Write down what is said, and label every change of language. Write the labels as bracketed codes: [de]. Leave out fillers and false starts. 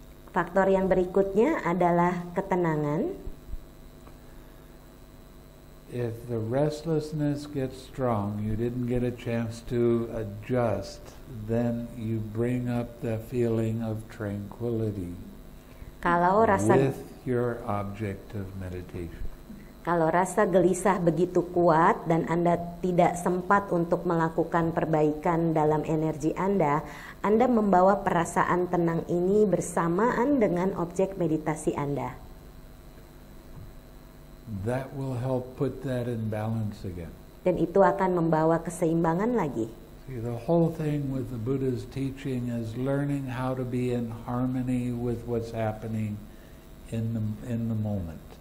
[id] Faktor yang berikutnya adalah ketenangan. [en] If the restlessness gets strong, you didn't get a chance to adjust, then you bring up the feeling of tranquility [id] kalau rasa, [en] with your object of meditation. [id] Kalau rasa gelisah begitu kuat dan Anda tidak sempat untuk melakukan perbaikan dalam energi Anda, Anda membawa perasaan tenang ini bersamaan dengan objek meditasi Anda. [en] That will help put that in balance again. [id] Dan itu akan membawa keseimbangan lagi. [en] See, the whole thing with the Buddha's teaching is learning how to be in harmony with what's happening in the moment.